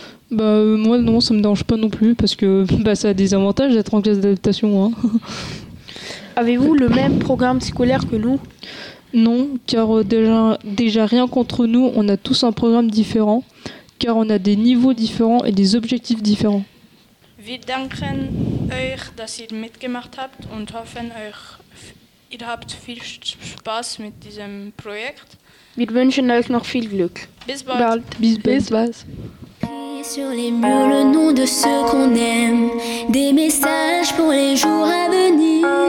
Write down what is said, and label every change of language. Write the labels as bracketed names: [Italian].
[French] Moi non, ça me dérange pas non plus parce que ça a des avantages d'être en classe d'adaptation. Hein. Avez-vous le même programme scolaire que nous? Non, car déjà rien contre nous, on a tous un programme différent, car on a des niveaux différents et des objectifs différents. [German] Wir denken euch, dass ihr mitgemacht habt und hoffen euch, ihr habt viel Spaß mit diesem Projekt. Wir wünschen euch noch viel Glück. Bis bald. Bald. Bis bald. [French] Sur les murs le nom de ceux qu'on aime, des messages pour les jours à venir.